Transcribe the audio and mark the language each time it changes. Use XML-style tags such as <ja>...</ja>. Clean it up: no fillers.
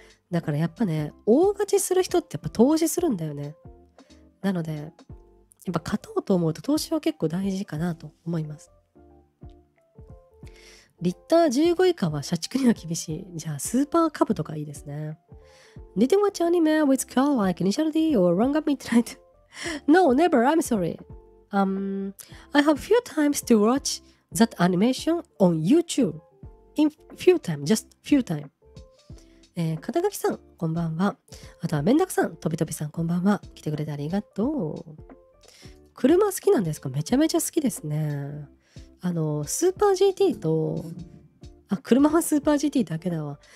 <ja>だからやっぱね、大勝ちする人ってやっぱ投資するんだよね。なのでやっぱ勝とうと思うと投資は結構大事かなと思います。リッター15以下は社畜には厳しい。じゃあスーパーカブとかいいですね。</ja> <en>Did you watch anime with girl like initial D or Rung Up Midnight? No, never, I'm sorry. I have few times to watch that animation on YouTube. In few time, just few time.</en> <ja>肩書きさん、こんばんは。あとはめんどくさん、とびとびさん、こんばんは。来てくれてありがとう。車好きなんですか？めちゃめちゃ好きですね。スーパー GT と、車はスーパー GT だけだわ。</ja>